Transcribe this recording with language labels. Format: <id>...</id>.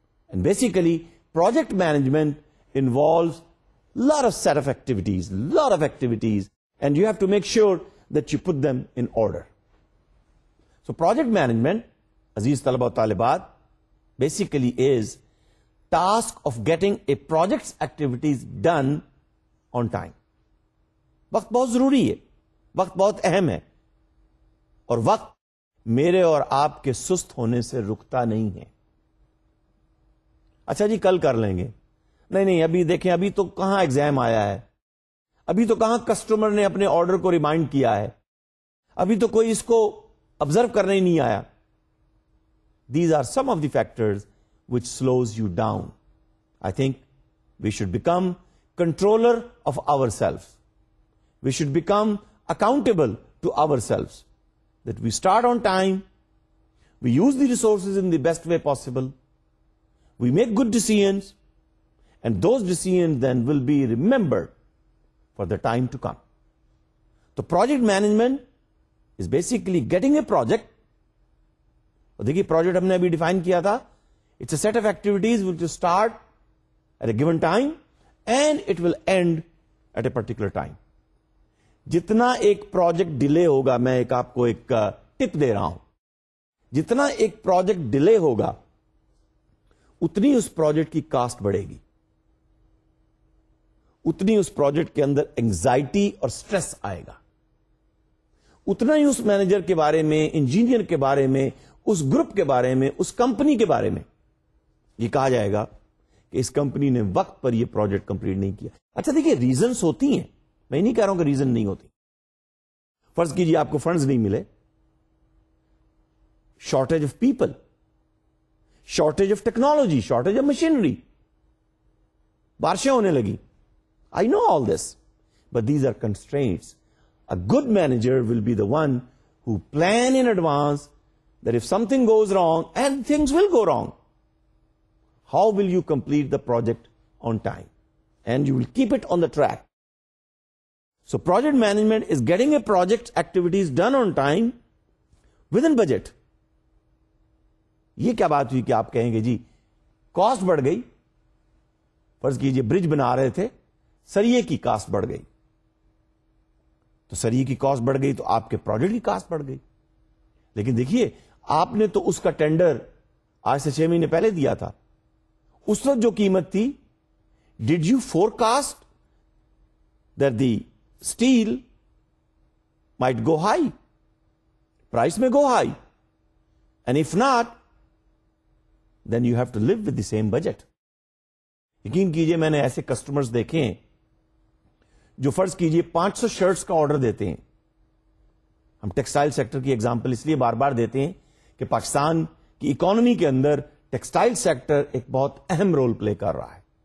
<en>And basically project management involves lot of set of activities, lot of activities, and you have to make sure that you put them in order. So project management,</en> <ur>Aziz Talaba Talibat,</ur> <en>basically is task of getting a project's activities done on time.</en> <ur>وقت بہت ضروری ہے, وقت بہت اہم ہے, اور وقت میرے اور آپ کے سست ہونے سے رکتا نہیں ہے. اچھا جی کل کر لیں گے. نہیں نہیں, ابھی دیکھیں, ابھی تو کہاں ایگزام آیا ہے, ابھی تو کہاں کسٹمر نے اپنے آرڈر کو ریمائنڈ کیا ہے, ابھی تو کوئی اس کو آبزرو کرنے ہی نہیں آیا.</ur> <en>These are some of the factors which slows you down. I think we should become controller of our self, we should become accountable to our self, that we start on time, we use the resources in the best way possible, we make good decisions, and those decisions then will be remembered for the time to come. So project management is basically getting a project.</en> <ur>Aur dekhi project humne abhi define kiya tha,</ur> <en>it's a set of activities which will start at a given time and it will end at a particular time.</en> <ur>Jitna ek project delay hoga, main ek aapko ek tip de raha hu, jitna ek project delay hoga utni us project ki cost badhegi, اتنی اس project کے اندر anxiety اور stress آئے گا, اتنا ہی اس manager کے بارے میں, engineer کے بارے میں, اس گروپ کے بارے میں, اس کمپنی کے بارے میں یہ کہا جائے گا کہ اس کمپنی نے وقت پر یہ پروجیکٹ کمپلیٹ نہیں کیا. اچھا دیکھیں ریزنز ہوتی ہیں, میں نہیں کہہ رہا ہوں کہ ریزن نہیں ہوتی. فرض کیجیے آپ کو فنڈز نہیں ملے, shortage of people, shortage of technology, shortage of machinery, بارشیں ہونے لگی.</ur> <en>I know all this, but these are constraints. A good manager will be the one who plan in advance that if something goes wrong, and things will go wrong, how will you complete the project on time? And you will keep it on the track. So project management is getting a project activities done on time within budget.</en> <ur>یہ کیا بات ہوئی کہ آپ کہیں گے جی cost بڑھ گئی, فرض کیجئے برج بنا رہے تھے, سریے کی کاسٹ بڑھ گئی, تو سریے کی کاسٹ بڑھ گئی تو آپ کے پروجیکٹ کی کاسٹ بڑھ گئی. لیکن دیکھیے آپ نے تو اس کا ٹینڈر آج سے 6 مہینے پہلے دیا تھا, اس وقت جو قیمت تھی</ur> <en>Did you forecast that the steel might go high? Price may go high. And if not, then you have to live with the same budget.</en> <ur>یقین کیجئے میں نے ایسے کسٹمرز دیکھے ہیں جو فرض کیجئے 500 شرٹس کا آرڈر دیتے ہیں. ہم ٹیکسٹائل سیکٹر کی ایگزامپل اس لیے بار بار دیتے ہیں کہ پاکستان کی اکانومی کے اندر ٹیکسٹائل سیکٹر ایک بہت اہم رول پلے کر رہا ہے.</ur>